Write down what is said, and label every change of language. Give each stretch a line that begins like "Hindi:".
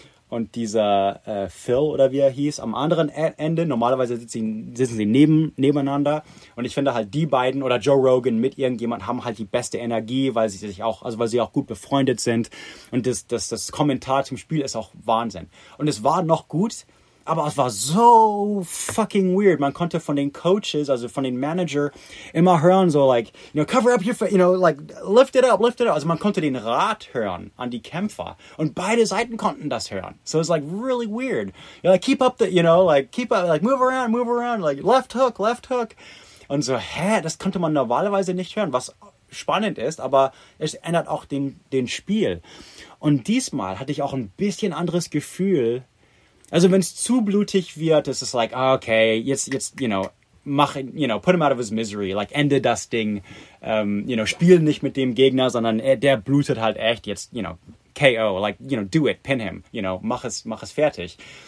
German: und dieser Phil oder wie er hieß, am anderen Ende, normalerweise sitzen sie nebeneinander und ich finde halt die beiden oder Joe Rogan mit irgendjemand haben halt die beste Energie, weil sie auch gut befreundet sind und das Kommentar zum Spiel ist auch Wahnsinn. Und es war noch gut, aber es war so
English: fucking weird.
German: Man konnte von den Coaches, also von den Manager, immer hören, so
English: like, you know, cover up your face, you know, like, lift it up.
German: Also man konnte den Rat hören an die Kämpfer. Und beide Seiten konnten das hören.
English: So it's like really weird. You're like, keep up the, you know, like, keep up, like, move around, like, left hook.
German: Und so, hä, das konnte man normalerweise nicht hören, was spannend ist, aber es ändert auch den Spiel. Und diesmal hatte ich auch ein bisschen anderes Gefühl. Also wenn es zu blutig wird, ist es like, okay, jetzt, you know, mach, you know,
English: put him out of his misery,
German: like, ende das Ding, you know, spiel nicht mit dem Gegner, sondern der blutet halt echt, jetzt, you know,
English: KO, like, you know, do it, pin him, you know,
German: mach es fertig.